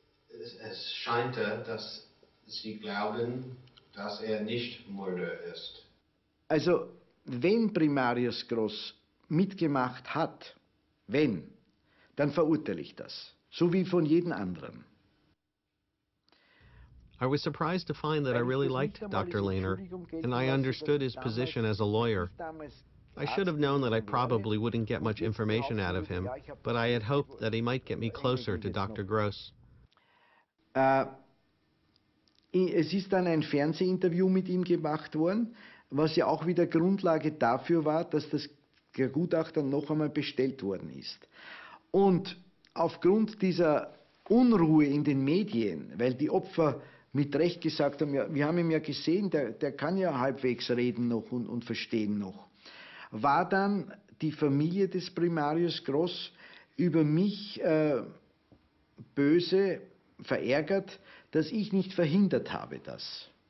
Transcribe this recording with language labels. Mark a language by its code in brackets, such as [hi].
[de] Es scheint, dass Sie glauben, dass er nicht Mörder ist. Also, wenn Primarius Gross mitgemacht hat, wenn, dann verurteile ich das, so wie von jedem anderen. [en] I was surprised to find that I really liked Dr. Lehner, and I understood his position as a lawyer. I should have known that I probably wouldn't get much information out of him, but I had hoped that he might get me closer to Dr. Gross. [de] Es ist dann ein Fernsehinterview mit ihm gemacht worden, was ja auch wieder Grundlage dafür war, dass das Gutachter noch einmal bestellt worden ist. Und aufgrund dieser Unruhe in den Medien, weil die Opfer mit Recht gesagt haben, ja, wir haben ihn ja gesehen, der kann ja halbwegs reden noch und verstehen noch, war dann die Familie des Primarius Gross über mich böse, verärgert, dass ich nicht verhindert habe das.